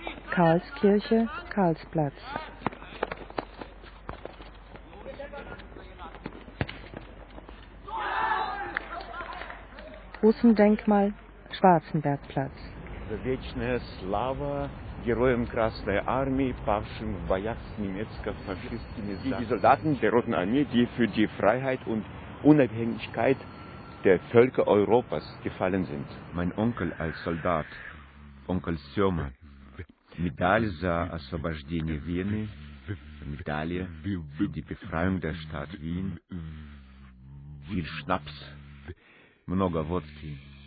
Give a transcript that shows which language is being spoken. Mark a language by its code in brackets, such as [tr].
[de] Karlskirche, Karlsplatz. Russendenkmal, Schwarzenbergplatz. [ru] Вечная слава героям Красной Армии, павшим в боях с немецко-фашистскими и солдатам [de] der Roten Armee, die für die Freiheit und Unabhängigkeit der Völker Europas gefallen sind. Mein Onkel als Soldat, Onkel Сёма, [ru] Медаль за освобождение Вены, медаль [de] für die Befreiung der Stadt Wien, viel Schnaps, [ru] много водки.